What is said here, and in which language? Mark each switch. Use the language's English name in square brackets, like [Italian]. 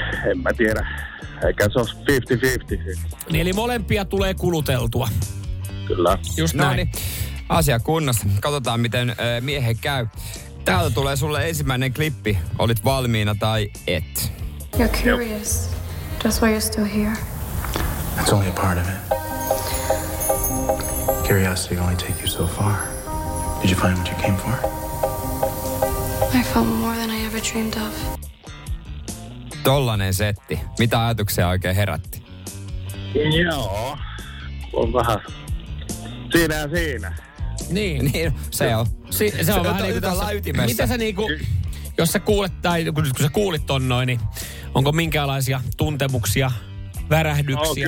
[Finnish] En mä tiedä, eikä se olisi 50-50. Niin, eli molempia tulee kuluteltua. Kyllä. Just näin. No niin. Asia kunnossa. Katsotaan, miten miehe käy. Täältä tulee sulle ensimmäinen klippi. Olit valmiina tai et. [English] You're curious. Just why you're still here. It's only a part of it. Curiosity only take you so far. Did you find what you came for? I felt more than I ever dreamed of. [Finnish] Tollainen setti. Mitä ajatuksia oikein herätti? Joo. On vähän siinä ja siinä. Niin. Se on. Se on vähän niin kuin tässä laitimessa. Mitä sä niin kuin, jos sä kuulet, tai kun sä kuulit ton noin, niin onko minkäänlaisia tuntemuksia, värähdyksiä?